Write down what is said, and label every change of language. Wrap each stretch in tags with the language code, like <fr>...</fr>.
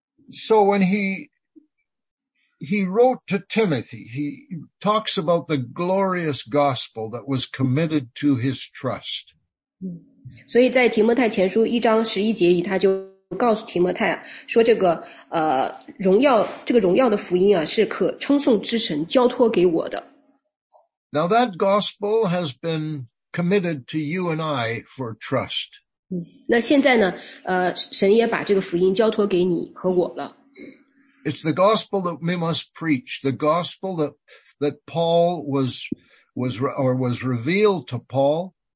<en>So when he wrote to Timothy, he talks about the glorious gospel that was committed to his trust.</en> <zh>所以在提摩太前书一章十一节里，他就告诉提摩太说，这个荣耀的福音啊，是可称颂之神交托给我的。</zh> <en>Now that gospel has been committed to you and I for trust.</en> <zh>那现在呢，神也把这个福音交托给你和我了。</zh> <en>It's the gospel that we must preach, the gospel that Paul was revealed to Paul.</en>